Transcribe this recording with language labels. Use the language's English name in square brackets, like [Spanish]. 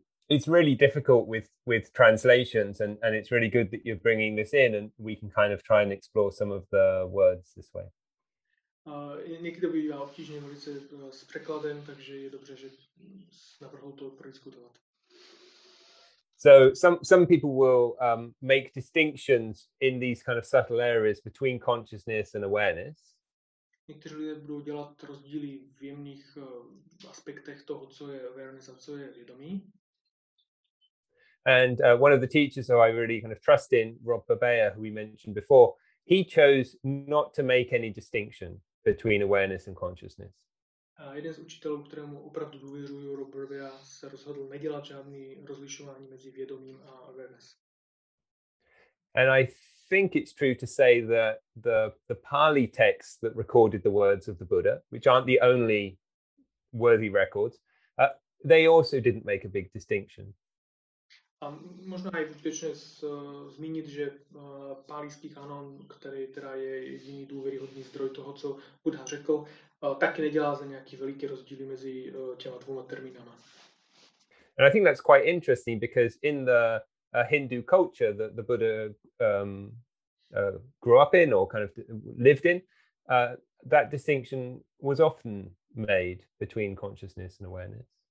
[English] It's really difficult with translations, and it's really good that you're bringing this in, and we can kind of try and explore some of the words this way. [Czech] Někdy by měl obtížně mluvit se s překladem, takže je dobře, že navrhl to prodiskutovat. [English] So some people will make distinctions in these kind of subtle areas between consciousness and awareness. [Czech] Někteří lidé budou dělat rozdíly v jemných aspektech toho, co je awareness a co je vědomí. [English] And one of the teachers who I really kind of trust in, Rob Babea, who we mentioned before, he chose not to make any distinction between awareness and consciousness. [Czech] A jeden z učitelů, kterému opravdu důvěřuju, Rob Babea, se rozhodl nedělat žádný rozlišování mezi vědomím a awareness. [English] And I think it's true to say that the Pali texts that recorded the words of the Buddha, which aren't the only worthy records, they also didn't make a big distinction. [Czech] A možná je bezpečné zmínit, že pálíský kanon, který teda je jediný důvěryhodný zdroj toho, co Buddha řekl, taky nedělá za nějaký veliký rozdíl mezi těma dvěma termínama. [English] And I think that's quite interesting because in the Hindu culture that the Buddha grew up in or kind of lived in, that distinction was often made between consciousness and awareness.